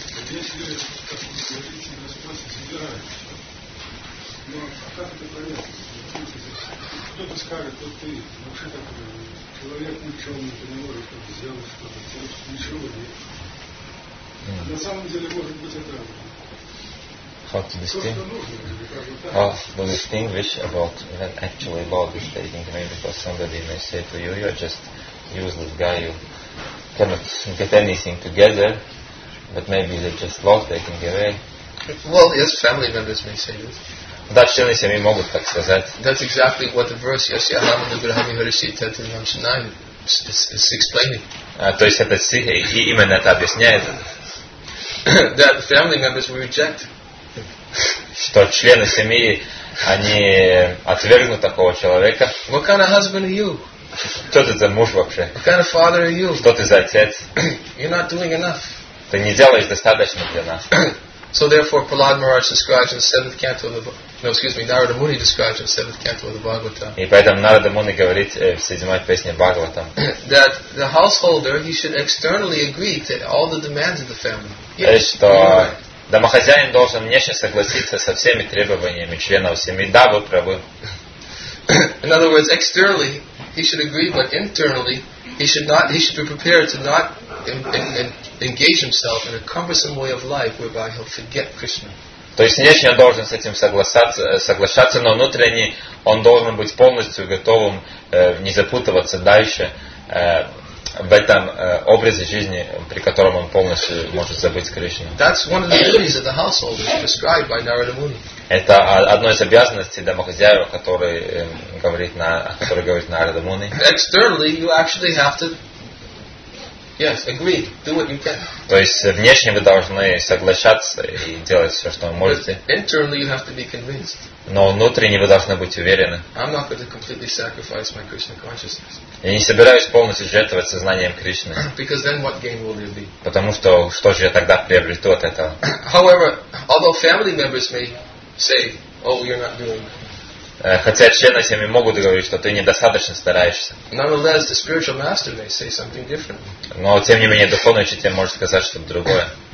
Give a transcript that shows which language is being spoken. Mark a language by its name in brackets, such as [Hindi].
[Russian] Если, как вы говорите, Господь собирается, ну а как это понять? Кто-то скажет, вот ты вообще такой человек ученый, ты не можешь что-то сделать, что-то сделать, ничего нет. На самом деле, может быть, это [English] how to distinguish, how to distinguish about when actually God is taking me, because somebody may say to you, you're just useless guy, you cannot get anything together, but maybe they're just lost, taking away. Well, yes, family members may say this. [Russian] Да, члены семьи могут так сказать. [English] That's exactly what the verse Yasyaham anugraham iharishek tantanam sunai is explaining. [Russian] То есть этот стих именно это объясняет. [English] That family members will reject. [Russian] что члены семьи, они отвергнут такого человека. [English] What kind of husband are you? [Russian] Что ты за муж вообще? [English] What kind of father are you? [Russian] Что ты за отец? [English] You're not doing enough. [Russian] Ты не делаешь достаточно для нас. [English] So therefore, Prahlad Maharaj describes in the seventh canto of the Narada Muni describes in the seventh canto of the Bhagavatam. [Russian] И поэтому Нарада Муни говорит в седьмой песне Бхагаватам. [English] That the householder he should externally agree to all the demands of the family. Yes. [Russian] Что домохозяин должен внешне согласиться со всеми требованиями членов семьи. Да, вы правы. [English] In other words, externally he should agree, but internally he should not. He should be prepared to not. Engage himself in a cumbersome way of life whereby he'll forget Krishna. [Russian] То есть внешне он должен с этим соглашаться, но внутренне он должен быть полностью готовым не запутываться дальше в этом образе жизни, при котором он полностью может забыть Кришну. [English] That's one of the duties of the household described by Narada Muni. [Russian] Это одно из обязанностей домохозяева, который говорит Нарада Муни. [English] Externally, you actually have to. Yes, agreed. Do what you can. [Russian] То есть внешне вы должны соглашаться и делать все, что вы можете. [English] Internally you have to be convinced. [Russian] Но внутренне вы должны быть уверены. [English] I'm not going to completely sacrifice my Krishna consciousness. [Russian] Я не собираюсь полностью жертвовать сознанием Кришны. [English] Because then what gain will there be? [Russian] Потому что же я тогда приобрету от этого? [English] However, although family members may say, "Oh, you're not doing." [Russian] Хотя члены семьи могут говорить, что ты недостаточно стараешься. [English] Nonetheless, the spiritual master may say something different. [Russian] Но тем не менее духовный учитель может сказать что-то другое.